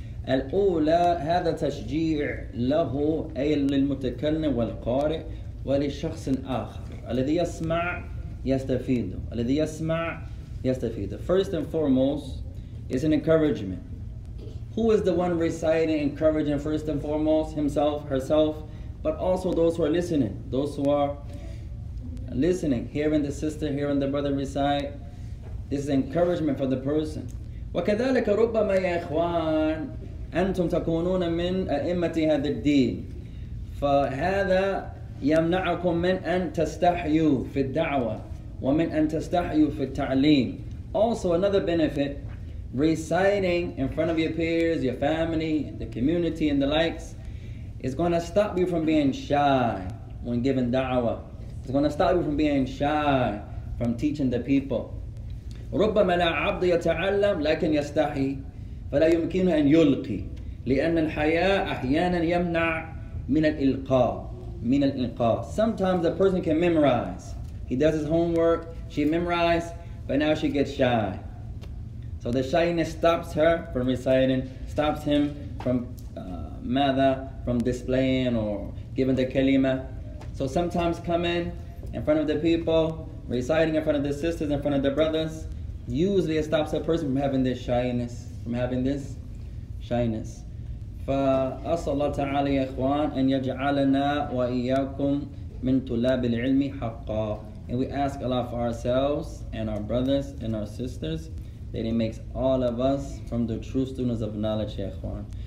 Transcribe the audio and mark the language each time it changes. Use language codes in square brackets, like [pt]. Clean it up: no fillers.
[ar] الأولى هذا تشجيع له أي للمتكلم والقارئ ولشخص آخر الذي يسمع يستفيد الذي يسمع يستفيد. [en] First and foremost is an encouragement. Who is the one reciting, encouraging first and foremost himself, herself, but also those who are listening, those who are listening, hearing the sister, hearing the brother recite. This is encouragement for the person. [ar] وكذلك ربما يا إخوان أنتم تكونون من أئمة هذا الدين فهذا يمنعكم من أن تستحيوا في الدعوة ومن أن تستحيوا في التعليم. [en] Also another benefit, reciting in front of your peers, your family, the community and the likes is going to stop you from being shy when giving da'wah. It's going to stop you from being shy from teaching the people. [ar] ربما لا عبد يتعلم لكن يستحي فلا يمكن أن يلقي لأن الحياة أحيانا يمنع من الإلقاء من الإلقاء. [en] Sometimes a person can memorize. He does his homework, she memorizes, but now she gets shy. So the shyness stops her from reciting, stops him from from displaying or giving the kalima. So sometimes coming in front of the people, reciting in front of the sisters, in front of the brothers, usually it stops a person from having this shyness, from having this shyness. [ar] فأسأل الله تعالى يا إخوان أن يجعلنا وإياكم من طلاب العلم حقا. [en] And we ask Allah for ourselves and our brothers and our sisters that He makes all of us from the true students of knowledge, [ar] يا إخوان.